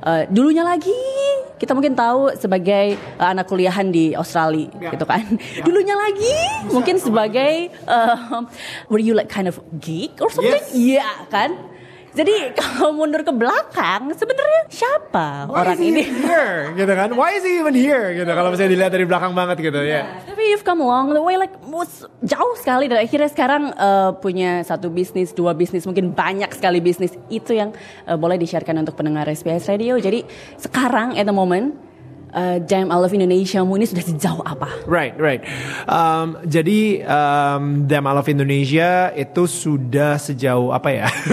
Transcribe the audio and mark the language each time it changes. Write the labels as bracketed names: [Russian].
[Indonesian] Dulunya lagi kita mungkin tahu sebagai anak kuliahan di Australia, gitu kan? Dulunya lagi mungkin sebagai [English] were you like kind of geek or something? Kan? [Indonesian] Jadi kalau mundur ke belakang, sebenarnya siapa orang ini? [English] Why is he here? Gitu kan? Why is he even here? Gitu. [Indonesian] Kalau misalnya dilihat dari belakang banget gitu. [English] Tapi you've come along the way like [Indonesian] jauh sekali. Dan akhirnya sekarang punya satu bisnis, dua bisnis, mungkin banyak sekali bisnis. Itu yang boleh di-sharekan untuk pendengar SBS Radio. Jadi sekarang [English] at the moment, [Indonesian] Jam I Love Indonesia mu ini sudah sejauh apa? [English] Right. [Indonesian] Jadi Jam I Love Indonesia itu sudah sejauh apa ya?